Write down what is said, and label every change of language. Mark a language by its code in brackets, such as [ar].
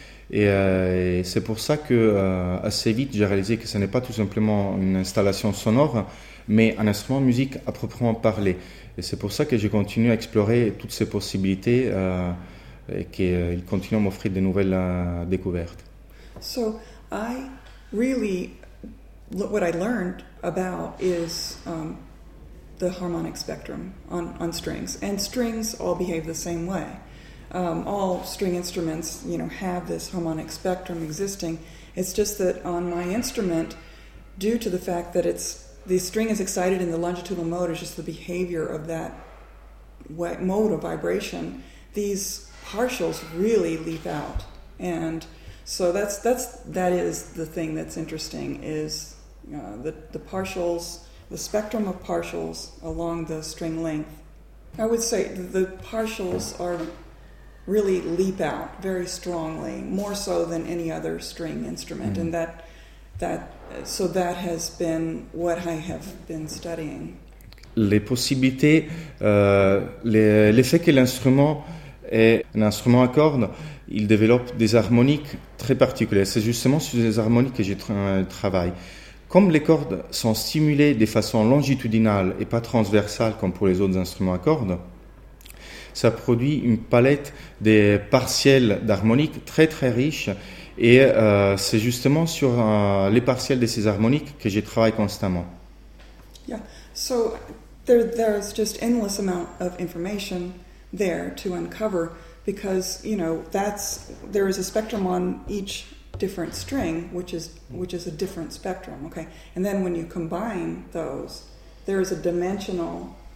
[fr] Et c'est pour ça que assez vite j'ai réalisé que ce n'est pas tout simplement une installation sonore, mais un instrument de musique à proprement parler. Et c'est pour ça que j'ai continué à explorer toutes ces possibilités et qu'il continue à m'offrir de nouvelles découvertes. [en] So, I really, what I learned about is the harmonic spectrum on strings. And strings all behave the same way. All string instruments, you know, have this harmonic spectrum existing. It's just that on my instrument, due to the fact that it's the string is excited in the longitudinal mode, it's just the behavior of that mode of vibration, these partials really leap out. And so that is the thing that's interesting, is the partials, the spectrum of partials along the string length. I would say the partials are really leap out very strongly, more so than any other string instrument. Mm-hmm. So that has been what I have been studying. [fr] Les possibilités, l'effet que l'instrument est un instrument à cordes, il développe des harmoniques très particulières. C'est justement sur ces harmoniques que je travaille. Comme les cordes sont stimulées de façon longitudinale et pas transversale comme pour les autres instruments à cordes, ça produit une palette de partiels d'harmoniques très très riches. Et c'est justement sur les partiels de ces harmoniques que je travaille constamment. [en] Yeah, so there is just endless amount of information there to uncover, because you know there is a spectrum on each different string, which is a different spectrum, okay. And then when you combine those, there is a dimensional